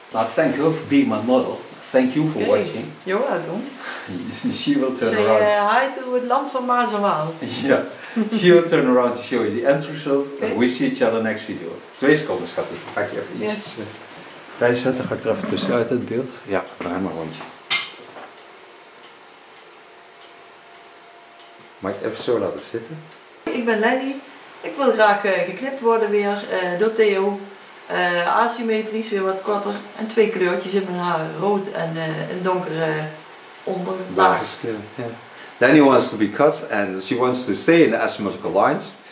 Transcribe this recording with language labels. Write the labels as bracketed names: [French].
[English] Thank you for being my model. Thank you for watching. You're welcome. She will turn around. Say hi to het land van Maas en Waal. Yeah. She will turn around to show you the end result. Okay. And we see each other next video. [Dutch] Twee seconden, schatje. Ga ik je even iets bijzetten? Ga ik er even tussenuit het beeld? Ja, draai maar rondje. Mag ik even zo laten zitten? Ik ben Lenny. Ik wil graag geknipt worden weer door Theo. Asymmetrisch, weer wat korter. En twee kleurtjes in mijn haar. Rood en een donkere onderlaag. [English] Lenny wants to be cut and she wants to stay in the asymmetrical lines.